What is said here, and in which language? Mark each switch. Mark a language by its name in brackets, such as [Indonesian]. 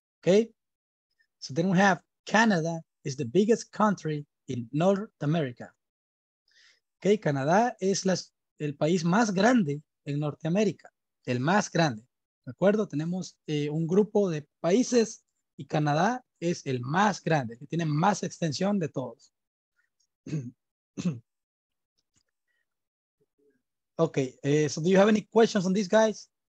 [English] Okay, so then we have Canada is the biggest country in North America. [Spanish] Okay, Canadá es el país más grande en Norteamérica, el más grande. ¿De acuerdo? Tenemos un grupo de países y Canadá es el más grande, que tiene más extensión de todos. [English] Okay, so do you have any questions on this, guys?